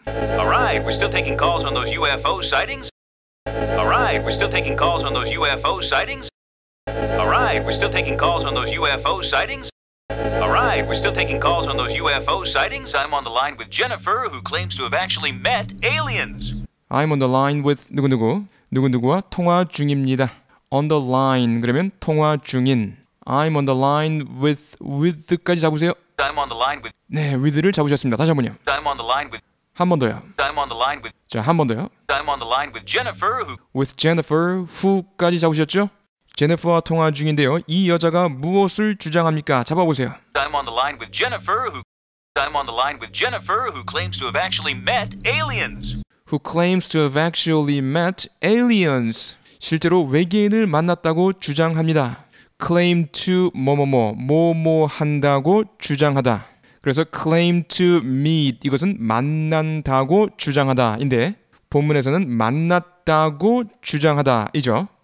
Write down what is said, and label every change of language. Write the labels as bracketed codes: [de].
[en] Alright, we're still taking calls on those UFO sightings. Alright, we're still taking calls on those UFO sightings. Alright, we're still taking calls on those UFO sightings. Alright, we're still taking calls on those UFO sightings. I'm on the line with Jennifer, who claims to have actually met aliens. I'm on the line with [ko] 누구누구. 누구누구와 통화 중입니다. [en] On the line, [ko] 그러면 통화 중인. [en] I'm on the line with, with까지 잡으세요. I'm on the line with. [ko] 네, with를 잡으셨습니다. 다시 한 번요. [en] I'm on the line with. [ko] 한 번 더요. [en] I'm on the line with. [ko] 자, 한 번 더요. [en] I'm on the line with Jennifer, who. With Jennifer, who [ko] 까지 잡으셨죠? 제네퍼와 통화 중인데요. 이 여자가 무엇을 주장합니까? 잡아보세요. [en] I'm on the line with Jennifer, who. I'm on the line with Jennifer, who claims to have actually met aliens. Who claims to have actually met aliens. [ko] 실제로 외계인을 만났다고 주장합니다. Claim to 뭐뭐뭐, 뭐뭐 한다고 주장하다. 그래서 [en] claim to meet, [ko] 이것은 만난다고 주장하다인데 본문에서는 만났다고 주장하다이죠.